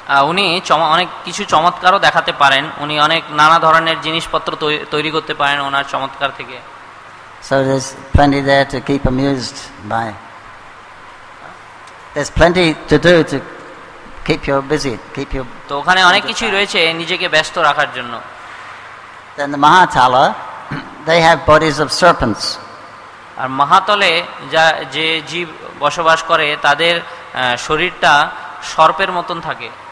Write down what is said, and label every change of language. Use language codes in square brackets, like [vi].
[bn] উনি অনেক কিছু চমৎকারও দেখাতে পারেন, উনি অনেক নানা ধরনের জিনিসপত্র তৈরি করতে পারেন ওনার চমৎকার থেকে। [en] So there's plenty there to keep amused by. There's plenty to do to keep you busy, keep you. [bn] তো ওখানে অনেক কিছু রয়েছে নিজেকে ব্যস্ত রাখার জন্য। [en] Then the Mahatala, they have bodies of serpents. [bn] আর মহাতলে যা যে জীব বসবাস করে তাদের শরীরটা সর্পের মতন থাকে।